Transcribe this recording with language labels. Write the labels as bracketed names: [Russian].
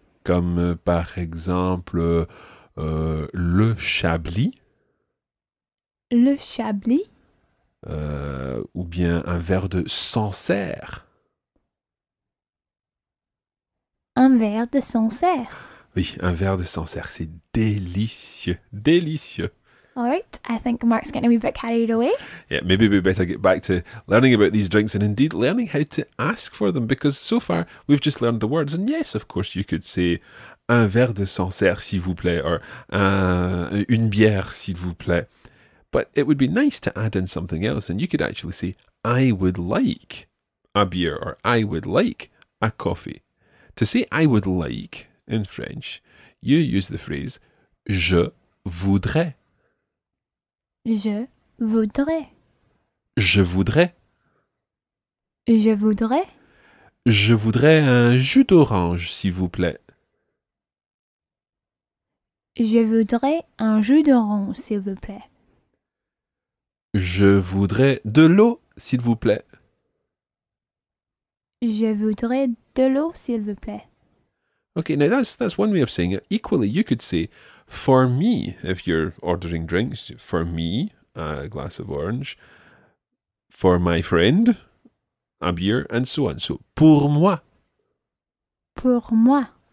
[French] Comme par exemple le Chablis. Le Chablis. Ou bien un verre de Sancerre. Un verre de Sancerre. Oui, un verre de Sancerre, c'est délicieux, délicieux. [English] Alright, I think Mark's getting a wee bit carried away. Yeah, maybe we better get back to learning about these drinks and indeed learning how to ask for them because so far we've just learned the words. And yes, of course, you could say un verre de Sancerre, s'il vous plaît, or une bière, s'il vous plaît. But it would be nice to add in something else and you could actually say I would like a beer or I would like a coffee. To say I would like in French, you use the phrase je voudrais. [French] Je voudrais. Je voudrais. Je voudrais. Je voudrais un jus d'orange, s'il vous plaît. Je voudrais un jus d'orange, s'il vous plaît. Je voudrais de l'eau, s'il vous plaît. Je voudrais de l'eau, s'il vous plaît. [English] Okay, now that's one way of saying it. Equally, you could say, for me, if you're ordering drinks, for me, a glass of orange, for my friend, a beer, and so on. [French] So, pour moi. Pour moi.